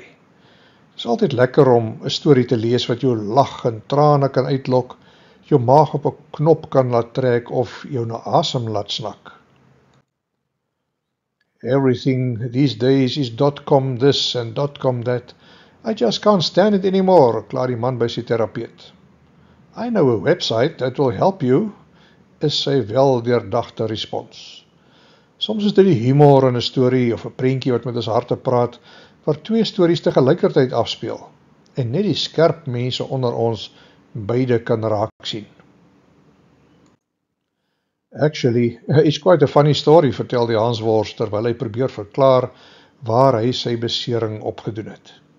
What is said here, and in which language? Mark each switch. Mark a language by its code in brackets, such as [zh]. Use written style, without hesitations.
[af] Dit is altyd lekker om 'n storie te lees wat jou lag en trane kan uitlok, jou maag op 'n knop kan laat trek of jou na asem laat snak. [en] Everything these days is .com this and .com that. I just can't stand it anymore, [af] klaar die man by sy terapeut. [en] I know a website that will help you, [af] is sy wel deurdagte respons. Soms is dit die humor in 'n story of 'n prentjie wat met ons harte praat, waar twee stories te gelykertyd afspeel en net die skerp mense onder ons beide kan raak sien. [en] Actually, it's quite a funny story, [af] vertel die Hansworst, terwyl hy probeer verklaar waar hy sy besering opgedoen het.